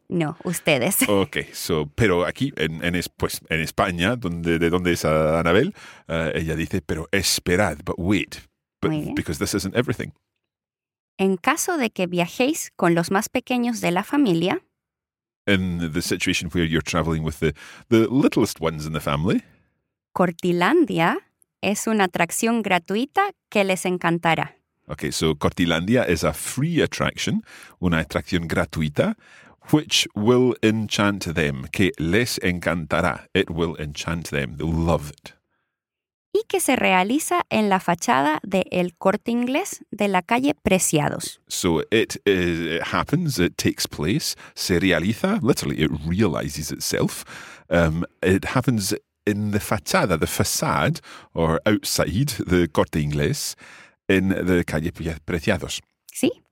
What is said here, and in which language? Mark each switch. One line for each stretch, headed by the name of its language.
Spanish: No, ustedes.
English: Okay, so
Spanish: pero aquí en España, donde es Anabel, ella dice pero esperad,
English: but wait, but, because this isn't everything.
Spanish: En caso de que viajéis con los más pequeños de la familia.
English: In the situation where you're traveling with the littlest ones in the family.
Spanish: Cortilandia es una atracción gratuita que les encantará.
English: Okay, so Cortilandia is a free attraction,
Spanish: una atracción gratuita,
English: which will enchant them,
Spanish: que les encantará.
English: It will enchant them. They'll love it.
Spanish: Y que se realiza en la fachada de El Corte Inglés de la calle Preciados.
English: So it happens, it takes place,
Spanish: se realiza,
English: literally it realizes itself. It happens in the fachada, the facade, or outside, the Corte Inglés, in the calle Preciados.
Spanish: Sí.